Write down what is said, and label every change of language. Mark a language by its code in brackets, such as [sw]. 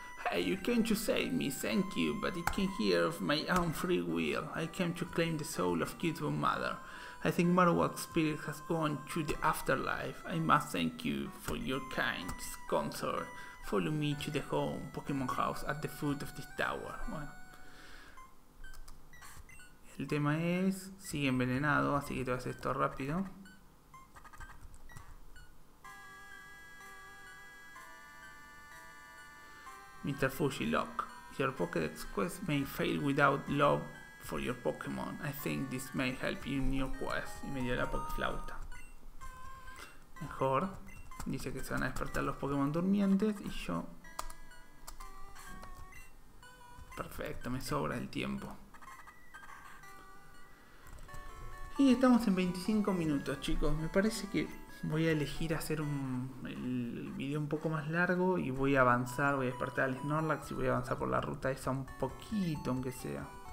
[en] Hey, you came to save me, thank you, but it came here of my own free will. I came to claim the soul of Kidwoo Mother. I think Marowak's spirit has gone to the afterlife. I must thank you for your kind concert. Follow me to the home Pokemon house at the foot of this tower. [es] Bueno. El tema es, sigue envenenado, así que te haces esto rápido. Mr. Fuji, look, your Pokédex quest may fail without love for your Pokémon. I think this may help you in your quest. Y me dio la Pokéflauta. Mejor. Dice que se van a despertar los Pokémon durmientes y yo Perfecto, me sobra el tiempo. Y estamos en 25 minutos, chicos. Me parece que voy a elegir hacer el video un poco más largo y voy a avanzar, voy a despertar al Snorlax y voy a avanzar por la ruta esa un poquito, aunque sea.